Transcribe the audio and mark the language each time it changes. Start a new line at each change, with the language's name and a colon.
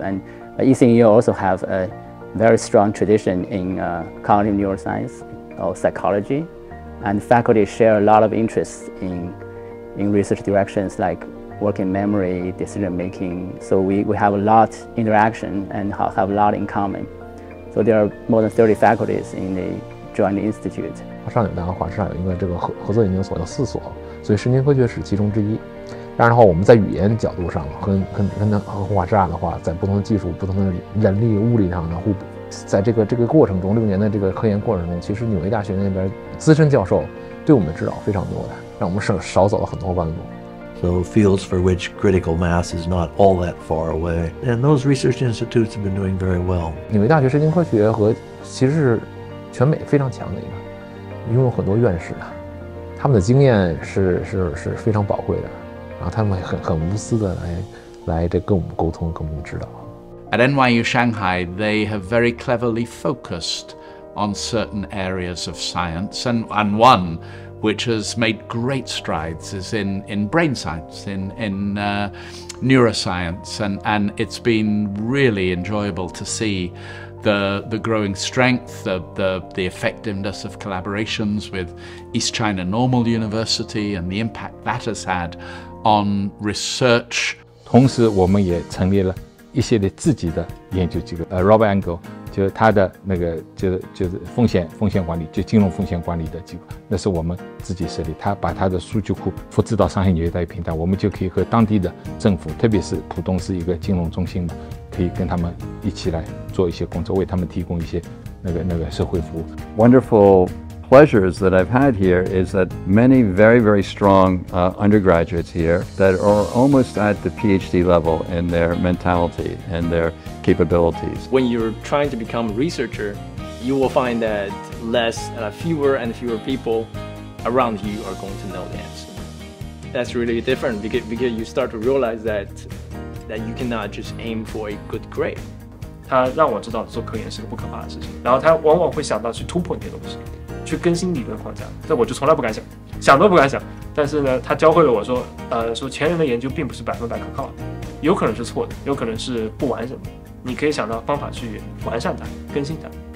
English: And ECNU also have a very strong tradition in cognitive neuroscience or psychology. And faculty share a lot of interests in research directions like working memory, decision making. So we have a lot of interaction and have a lot in common. So there are more than 30 faculties in the joint institute.
Chinese: 上海大和华师大有一个这个合作研究所，有四所，所以神经科学是其中之一。当然的话，我们在语言角度上和华师大的话，在不同的技术、不同的人力、物力上的互补。在这个过程中，六年的这个科研过程中，其实纽约大学那边资深教授对我们的指导非常多的，让我们少走了很多弯路。
English: So fields for which critical mass is not all that far away, and those research institutes have been doing very well.
Chinese: 纽约大学神经科学和其实是全美非常强的一个。拥有很多院士啊，他们的经验是非常宝贵的，然后他们很无私的来这跟我们沟通，跟我们指导。
English: At NYU Shanghai, they have very cleverly focused on certain areas of science, and one which has made great strides is in brain science, in neuroscience, and it's been really enjoyable to see the growing strength, the effectiveness of collaborations with East China Normal University and the impact that has had on research.
Chinese: 同时我们也成立了一些的自己的研究机构 Rob Angle 就是他的那个就是风险管理就金融风险管理的机构那是我们自己设立他把他的数据库复制到上海纽约大学平台我们就可以和当地的政府特别是浦东是一个金融中心嘛可以跟他们一起来做一些工作为他们提供一些那个社会服务
English: Wonderful pleasures that I've had here is that many very, very strong undergraduates here that are almost at the PhD level in their mentality and their capabilities. When you're trying to become a researcher, you will find that fewer and fewer people around you are going to know the answer. That's really different because you start to realize that you cannot just aim for a good grade.
Chinese: 它让我知道做科研是个不可怕的事情，然后它往往会想到去突破那些东西。去更新理论框架，这我就从来不敢想，想都不敢想。但是呢，他教会了我说，说前人的研究并不是百分百可靠的，有可能是错的，有可能是不完整的。你可以想到方法去完善它，更新它。